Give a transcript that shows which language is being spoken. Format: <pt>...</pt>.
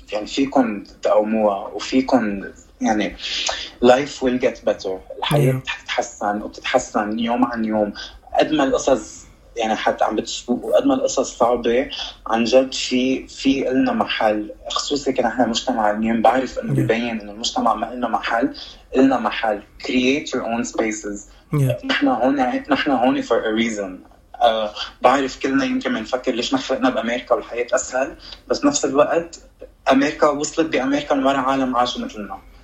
<ar>يعني فيكم تقوموها وفيكم يعني</ar> <en>life will get better،</en> <ar>الحياة بتتحسن وبتتحسن يوم عن يوم قد ما القصص يعني حتى عم بتسوق وقد ما القصص صعبة عن جد في إلنا محل، خصوصي كنا احنا مجتمع عالميين بعرف انه ببين انه المجتمع ما إلنا محل، إلنا محل</ar> <en>create your own spaces.</en> <ar>نحن هون</ar> <en>for a reason.</en> <ar>بعرف كلنا يمكن منفكر ليش نحرقنا بأمريكا والحياة أسهل، بس نفس الوقت أمريكا وصلت بأمريكا ورا عالم عاشوا مثلنا.</ar>